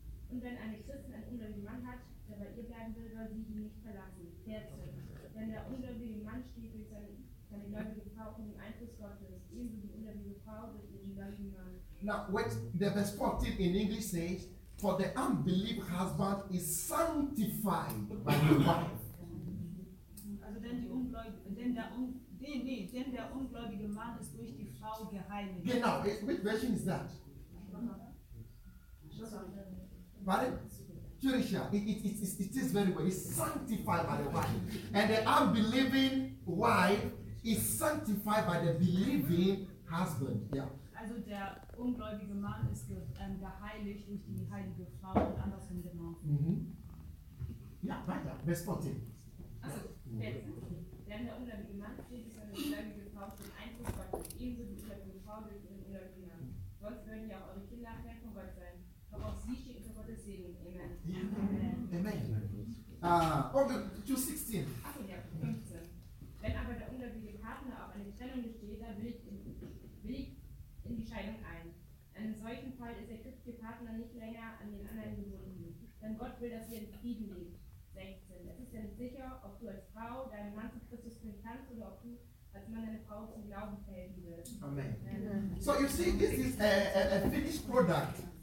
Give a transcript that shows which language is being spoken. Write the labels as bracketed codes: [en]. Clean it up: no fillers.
[de] Und wenn eine Christin einen ungläubigen Mann hat, der bei ihr bleiben will, soll sie ihn nicht verlassen. 14. Denn der ungläubige Mann steht durch seine gläubige Frau unter dem Einfluss Gottes, ebenso die ungläubige Frau durch ihren gläubigen Mann. [en] Now, what the verse 14 in English says, for the unbelieving husband is sanctified by the wife. [de] Also denn der ungläubige Mann ist durch die Frau geheiligt. [en] Genau, which version is that? Pardon? Jerusha, it is very well. It's sanctified by the wife. And the unbelieving wife is sanctified by the believing husband. Yeah. [de] Also der ungläubige Mann ist geheiligt durch die heilige Frau und andersrum genau. Mm-hmm. Ja, weiter. Vers 14. Also, denn der ungläubige Mann steht durch seine ungläubige Frau für den Einfluss Gottes, ebenso wie die ungläubige Frau durch den ungläubigen Mann. Sonst würden ja auch eure Kinder fern von Gott sein. Doch auch sie stehen unter Gottes Segen. Amen. Ja. Amen. Okay, 2:16. Achso, ja, 15. Wenn aber der ungläubige Partner auf eine Trennung besteht, dann willigt in die Scheidung ein. In solchen Fall ist der christliche Partner nicht länger an den anderen gebunden. Denn Gott will, dass ihr in Frieden lebt. 16. Es ist ja nicht sicher, ob du als Frau deinen Mann zu Christus bringen kannst oder ob du als Mann deine Frau zum Glauben fällen wirst. Amen. [en] So you see, this is a finished product.